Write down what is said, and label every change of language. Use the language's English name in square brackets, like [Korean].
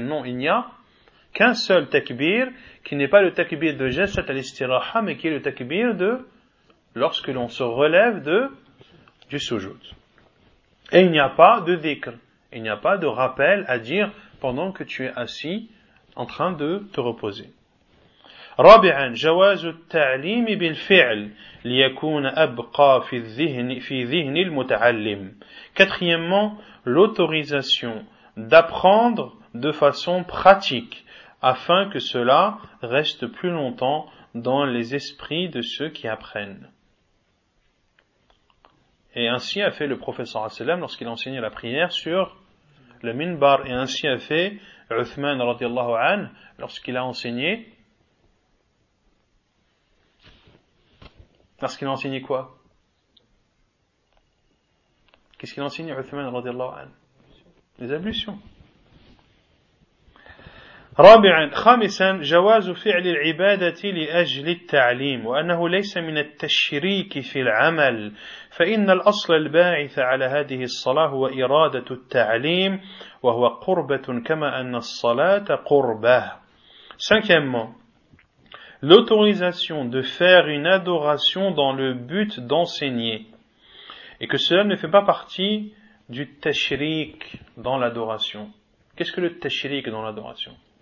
[French] Non, il n'y a qu'un seul takbir qui n'est pas le takbir de jasat al-istiraha, mais qui est le takbir de lorsque l'on se relève du sujoud. Et il n'y a pas de dhikr. Il n'y a pas de rappel à dire pendant que tu es assis en train de te reposer. [Arabic] رابعا جواز التعليم بالفعل ليكون أبقى في ذهن المتعلم. [French] Quatrièmement, l'autorisation d'apprendre de façon pratique afin que cela reste plus longtemps dans les esprits de ceux qui apprennent. Et ainsi a fait le professeur Asselam lorsqu'il enseignait la prière sur le minbar, et ainsi a fait Uthman radiallahu anhu lorsqu'il a enseigné. Parce qu'il a enseigné quoi? Qu'est-ce qu'il a enseigné Uthman radiallahu anhu? Les ablutions. [Arabic] رابعا خامسا جواز فعل العبادة لأجل التعليم وأنه ليس من التشريك في العمل فإن الأصل الباعث على هذه الصلاة هو إرادة التعليم وهو قربة كما أن الصلاة قربة. [French] Cinquièmement, l'autorisation de faire une adoration dans le but d'enseigner, et que cela ne fait pas partie du tashrik dans l'adoration. Qu'est-ce que le tashrik dans l'adoration?